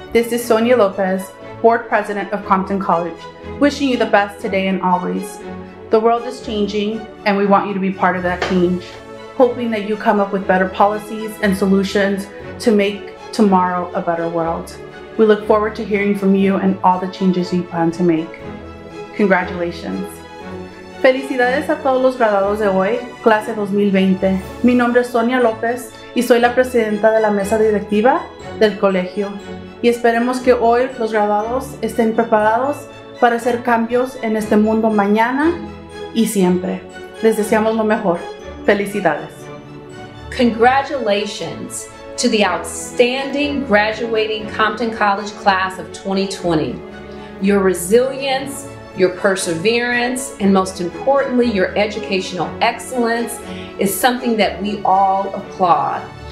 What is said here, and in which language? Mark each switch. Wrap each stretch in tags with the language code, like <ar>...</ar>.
<en>This is Sonia Lopez, board president of Compton College, wishing you the best today and always. The world is changing, and we want you to be part of that change, hoping that you come up with better policies and solutions to make tomorrow a better world. We look forward to hearing from you and all the changes you plan to make. Congratulations.</en> <es>Felicidades a todos los graduados de hoy, clase 2020. Mi nombre es Sonia López y soy la presidenta de la mesa directiva del colegio. Y esperemos que hoy los graduados estén preparados para hacer cambios en este mundo mañana y siempre. Les deseamos lo mejor. Felicidades.</es> <en>Congratulations to the outstanding graduating Compton College class of 2020. Your resilience, your perseverance, and most importantly, your educational excellence is something that we all applaud.</en>